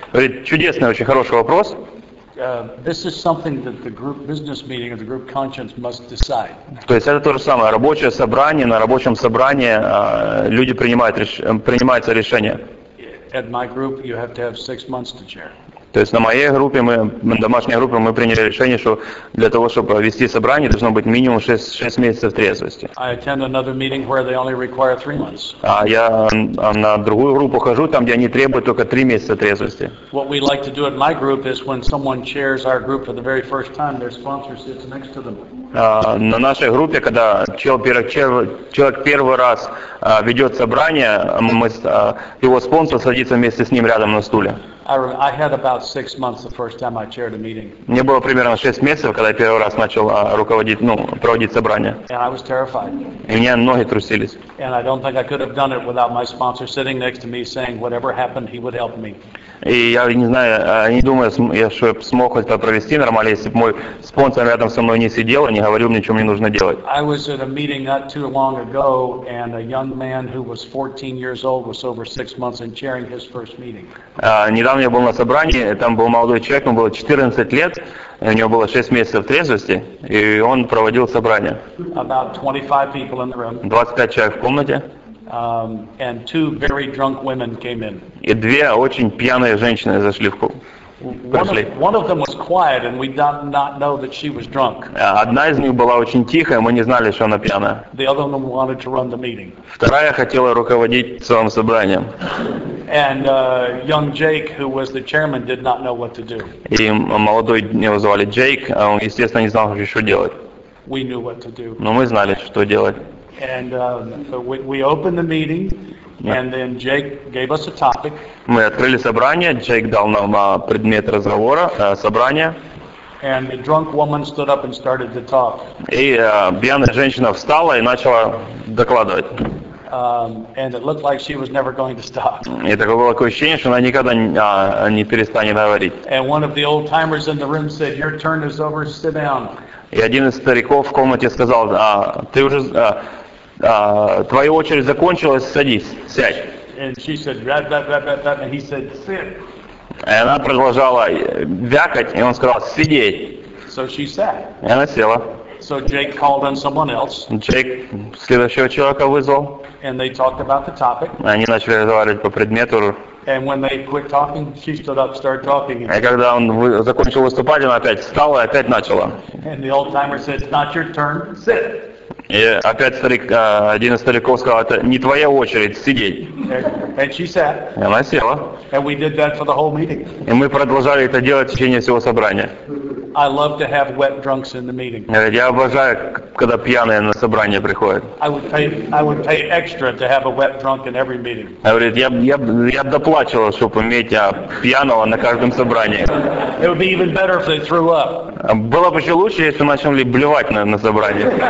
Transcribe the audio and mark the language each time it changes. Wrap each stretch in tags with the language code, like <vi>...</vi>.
<ru>Это чудесный, очень хороший вопрос.</ru> <en>This is something that the group business meeting or the group conscience must decide.</en> <ru>То есть это то же самое. Рабочее собрание, на рабочем собрании люди принимаются решения.</ru> <en>At my group, you have to have 6 months to chair.</en> <ru>То есть на моей группе, на домашней группе, мы приняли решение, что для того, чтобы вести собрание, должно быть минимум 6 месяцев трезвости.</ru> <en>I attend another meeting where they only require 3 months.</en> <ru>А я на другую группу хожу, там, где они требуют только 3 месяца трезвости.</ru> <en>What we like to do at my group is when someone chairs our group for the very first time, their sponsor sits next to them.</en> <ru>На нашей группе, когда человек первый раз ведет собрание, его спонсор садится вместе с ним рядом на стуле.</ru> <en>I had about 6 months the first time I chaired a meeting.</en> <ru>Мне было примерно 6 месяцев, когда я первый раз начал руководить, проводить собрание.</ru> <en>And I was terrified.</en> <ru>И у меня ноги трусились.</ru> <en>And I don't think I could have done it without my sponsor sitting next to me saying whatever happened, he would help me.</en> <ru>И я не знаю, не думаю, что я смог это провести нормально, если бы мой спонсор рядом со мной не сидел и не говорил мне, что мне нужно делать.</ru> <en>I was at a meeting not too long ago, and a young man who was 14 years old was over 6 months in chairing his first meeting.</en> <ru>Недавно я был на собрании, там был молодой человек, ему было 14 лет, у него было 6 месяцев трезвости, и он проводил собрание.</ru> <en>About 25 people in the room.</en> <ru>25 человек в комнате.</ru> <en>And two very drunk women came in.</en> <ru>И две очень пьяные женщины зашли в комнату.</ru> <en>One of them was quiet, and we did not know that she was drunk.</en> <ru>Одна из них была очень тихая, мы не знали, что она пьяная.</ru> <en>The other one wanted to run the meeting.</en> <ru>Вторая хотела руководить своим собранием.</ru> <en>And young Jake, who was the chairman, did not know what to do.</en> <ru>И молодой, его звали Джейк, он, естественно, не знал, что делать.</ru> <en>We knew what to do.</en> <ru>Но мы знали, что делать.</ru> <en>And we opened the meeting, and then Jake gave us a topic.</en> <ru>Мы открыли собрание. Джейк дал нам предмет разговора, собрание.</ru> <en>And the drunk woman stood up and started to talk.</en> <ru>И пьяная женщина встала и начала докладывать.</ru> <en>And it looked like she was never going to stop.</en> <ru>И такое было такое ощущение, что она никогда не перестанет говорить.</ru> <en>And one of the old timers in the room said, "Your turn is over. Sit down."</en> <ru>И один из стариков в комнате сказал, ты уже, твоя очередь закончилась, садись, сядь.</ru> <en>Said, rat, rat, rat, rat, rat, said, sit.</en> <ru>И она продолжала вякать, и он сказал, сидеть.</ru> <en>So she sat.</en> <ru>И она села.</ru> <en>So Jake called on someone else.</en> <ru>Джейк следующего человека вызвал.</ru> <en>And they talked about the topic.</en> <ru>Они начали разговаривать по предмету.</ru> <en>And when they quit talking, she stood up, started talking.</en> <ru>И когда он закончил выступать, она опять встала и опять начала.</ru> <en>And the old timer said, "It's not your turn. Sit."</en> <ru>И опять старик, один из стариков сказал, это не твоя очередь сидеть.</ru> <en>And she sat.</en> <ru>И она села.</ru> <en>And we did that for the whole meeting.</en> <ru>И мы продолжали это делать в течение всего собрания.</ru> <en>I love to have wet drunks in the meeting.</en> <ru>Я обожаю, когда пьяные на собрание приходят.</ru> <en>I would pay extra to have a wet drunk in every meeting.</en> <ru>Говорит, я доплачивал, чтобы иметь пьяного на каждом собрании.</ru> <en>It would be even better if they threw up.</en> <ru>Было бы еще лучше, если начали блевать на собрании.</ru>